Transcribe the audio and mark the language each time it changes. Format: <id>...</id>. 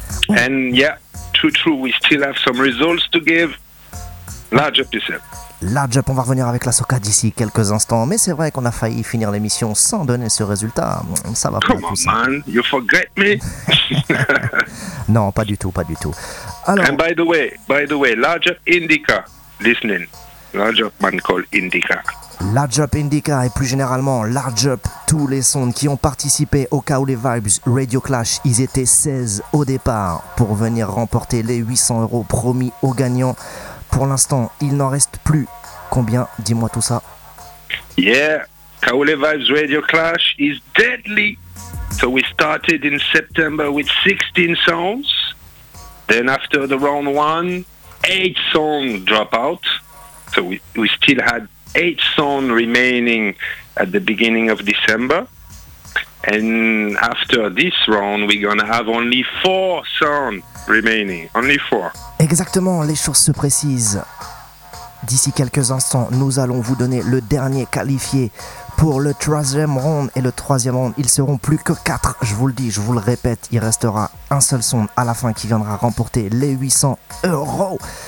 <en>And yeah, true, we still have some results to give. Large up yourself. Large up,</en> <fr>on va revenir avec la soca d'ici quelques instants. Mais c'est vrai qu'on a failli finir l'émission sans donner ce résultat. Ça va</fr> <en>come</en> <fr>pas</fr> <en>on man, you forget me.</en> <fr>Non, pas du tout, pas du tout.</fr> <en>Alors, and by the way, large up Indica, listening. Large up man called Indica. Large up</en> <fr>Indica et plus généralement</fr> <en>large up</en> <fr>tous les sons qui ont participé au Kaoulé Vibes Radio Clash. Ils étaient 16 au départ pour venir remporter les 800 euros promis aux gagnants. Pour l'instant, il n'en reste plus combien? Dis-moi tout ça.</fr> <en>Yeah, Kaoulé Vibes Radio Clash is deadly. So we started in September with 16 songs. Then after the round 1, 8 songs drop out. So we still had 8 songs remaining at the beginning of December. And after this round, we're gonna have only 4 songs remaining. Only 4.</en> <fr>Exactement, les choses se précisent. D'ici quelques instants, nous allons vous donner le dernier qualifié pour le troisième round. Et le troisième round, ils seront plus que 4. Je vous le dis, je vous le répète, il restera un seul son à la fin qui viendra remporter les 800 euros.</fr>